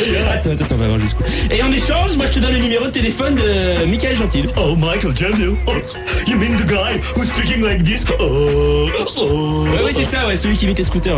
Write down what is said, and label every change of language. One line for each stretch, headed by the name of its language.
French: Attends, et en échange, moi je te donne le numéro de téléphone de Michael Gentil. Oh, Michael Gentil.
English: Oh, you mean the guy who's speaking like this?
French: Ouais, oui, c'est ça, ouais, celui qui met les scooters.